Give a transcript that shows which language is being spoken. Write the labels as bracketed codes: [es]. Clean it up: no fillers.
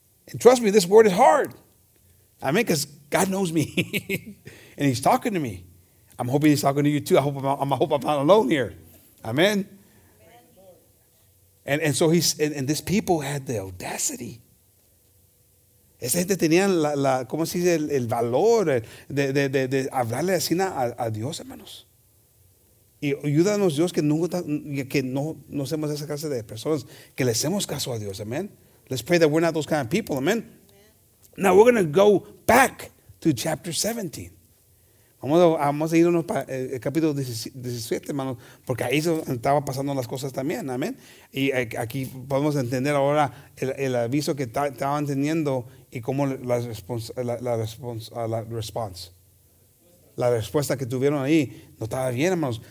[en] And trust me, this word is hard. I mean, because God knows me, and he's talking to me. I'm hoping he's talking to you, too. I hope I'm not alone here. Amen. And so he's, and this people had the audacity. [es] Esa gente tenía la ¿cómo se dice? El valor de hablarle así a Dios, hermanos. Y ayúdanos, Dios, que no seamos esa clase de personas, que le hacemos caso a Dios, amen. [en] Let's pray that we're not those kind of people, amen. Now we're going to go back to chapter 17. [es] Vamos a irnos para el capítulo 17, hermanos, porque ahí estaba pasando las cosas también, amén. Y aquí podemos entender ahora el aviso que estaban teniendo y cómo la respuesta que tuvieron ahí no estaba bien, hermanos.